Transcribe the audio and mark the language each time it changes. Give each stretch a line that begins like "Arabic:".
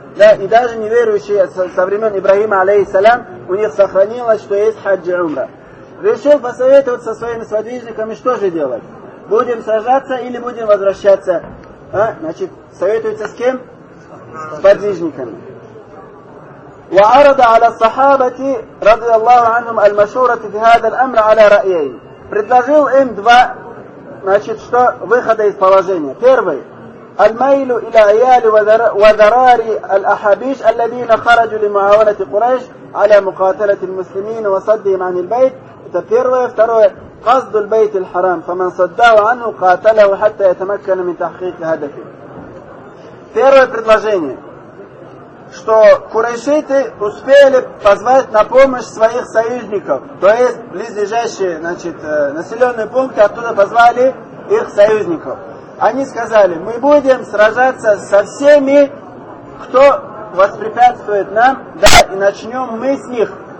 Russian: Да, и даже неверующие со времен Ибрахима, алейхиссалям, у них сохранилось, что есть хадж и умра. Решил посоветоваться со своими сподвижниками, что же делать. Будем сражаться или будем возвращаться? А? Значит, советуется с кем? С подвижниками.
Arabic: وعرض على الصحابة رضي الله عنهم المشورة في هذا الأمر على رأيين.
Russian: Предложил им два, значит, что выхода из положения. Первый.
Arabic: الميل إلى عيال وذرار الأحابيش الذين خرجوا لمعاونة قريش على مقاتلة المسلمين وصدهم عن البيت.
Russian: Это первое. Второе.
Arabic: قصد البيت الحرام فمن صدّوا عنه قاتله حتى يتمكن من تحقيق هدفه.
Russian: Первое предложение. что курайшиты успели позвать на помощь своих союзников, то есть близлежащие, значит, населенные пункты, оттуда позвали их союзников. Они сказали: мы будем сражаться со всеми, кто воспрепятствует нам, да, и начнем мы с них.